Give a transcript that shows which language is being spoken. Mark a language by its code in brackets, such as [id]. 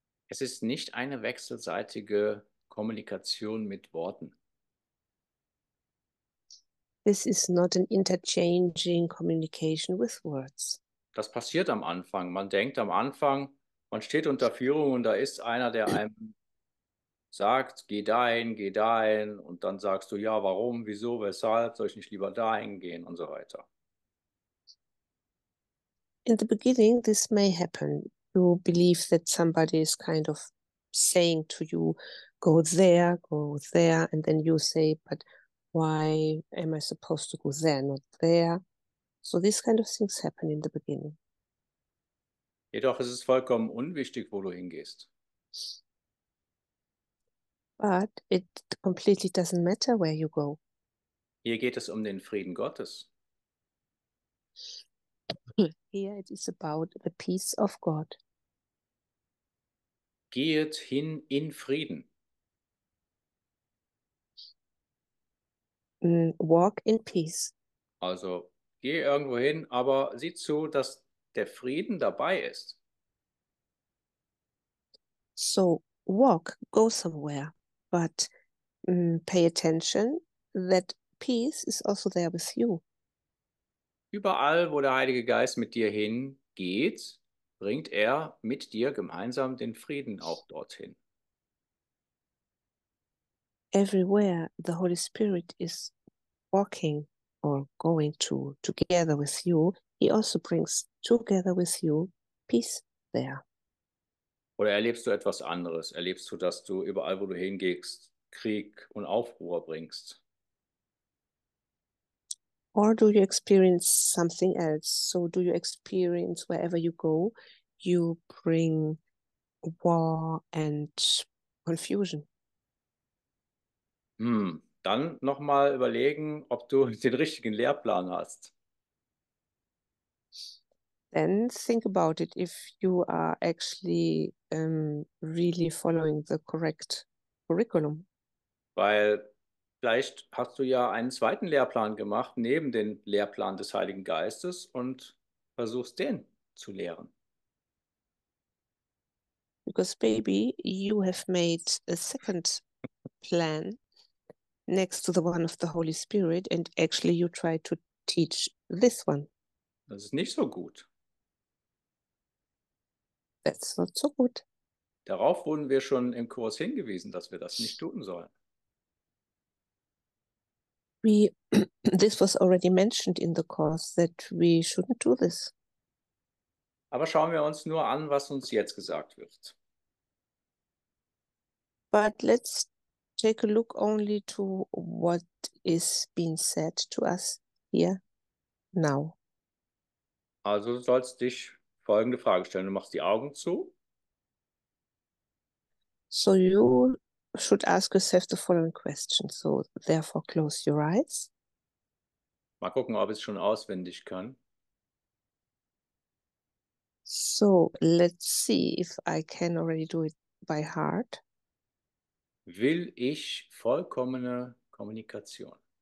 [de] Es ist nicht eine wechselseitige Kommunikation mit Worten. [en] This is not an interchanging communication with words. [de] Das passiert am Anfang. Man denkt am Anfang, man steht unter Führung und da ist einer, der einem sagt, geh dahin, geh dahin. Und dann sagst du, ja, warum, wieso, weshalb, soll ich nicht lieber dahin gehen und so weiter. [en] In the beginning, this may happen. You believe that somebody is kind of saying to you, go there, and then you say, but why am I supposed to go there, not there? So these kind of things happen in the beginning. [de] Jedoch ist es vollkommen unwichtig, wo du hingehst. [en] But it completely doesn't matter where you go. [de] Hier geht es um den Frieden Gottes. [en] Here it is about the peace of God. [de] Geht hin in Frieden. [en] Walk in peace. [de] Also, geh irgendwo hin, aber sieh zu, dass der Frieden dabei ist. [en] So, walk, go somewhere, but pay attention that peace is also there with you. [de] Überall, wo der Heilige Geist mit dir hingeht, bringt er mit dir gemeinsam den Frieden auch dorthin. [en] Everywhere the Holy Spirit is walking or going to together with you, he also brings together with you peace there. [de] Oder erlebst du etwas anderes? Erlebst du, dass du überall, wo du hingehst, Krieg und Aufruhr bringst? [en] Or do you experience something else? So do you experience wherever you go, you bring war and confusion? [de] Dann nochmal überlegen, ob du den richtigen Lehrplan hast. [en] Then think about it, if you are actually really following the correct curriculum. [de] Weil vielleicht hast du ja einen zweiten Lehrplan gemacht, neben dem Lehrplan des Heiligen Geistes und versuchst, den zu lehren. [en] Because maybe you have made a second plan next to the one of the Holy Spirit and actually you try to teach this one. [de] Das ist nicht so gut. [en] That's not so good. [de] Darauf wurden wir schon im Kurs hingewiesen, dass wir das nicht tun sollen. [en] This was already mentioned in the course that we shouldn't do this. [de] Aber schauen wir uns nur an, was uns jetzt gesagt wird. [en] But let's take a look only to what is being said to us here now. [de] Also du sollst dich folgende Frage stellen. Du machst die Augen zu. [en] So you should ask yourself the following question. So therefore close your eyes. [de] Mal gucken, ob ich es schon auswendig kann. [en] So let's see if I can already do it by heart. [de] Will ich vollkommene Kommunikation?